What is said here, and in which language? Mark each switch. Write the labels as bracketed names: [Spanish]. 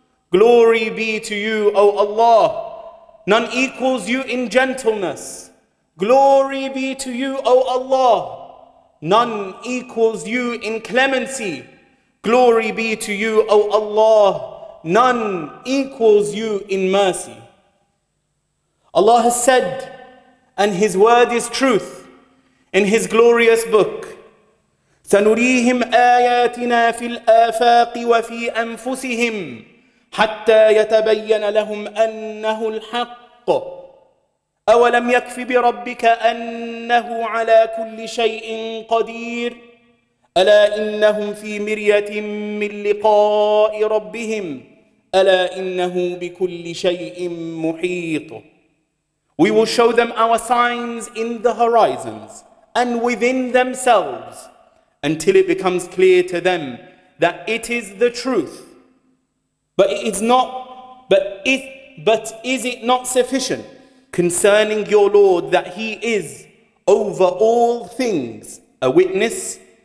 [English] Glory be to You, O Allah. None equals You in gentleness. Glory be to You, O Allah. None equals You in clemency. Glory be to You, O Allah. None equals You in mercy. Allah has said, and His word is truth, in His glorious book, [Arabic] سَنُرِيهِمْ آيَاتِنَا فِي الْآفَاقِ وَفِي أَنفُسِهِمْ حَتَّى يَتَبَيَّنَ لَهُمْ أَنَّهُ الْحَقُّ أَوَلَمْ يَكْفِ بِرَبِّكَ أَنَّهُ عَلَى كُلِّ شَيْءٍ قَدِيرٍ أَلَا إِنَّهُمْ فِي مِرْيَةٍ مِّنْ لِقَاءِ رَبِّهِمْ أَلَا إِنَّهُ بِكُلِّ شَيْءٍ مُحِيطٌ. [English] We will show them our signs in the horizons and within themselves until it becomes clear to them that it is the truth. But it is not, but is it not sufficient concerning your Lord that He is over all things a witness?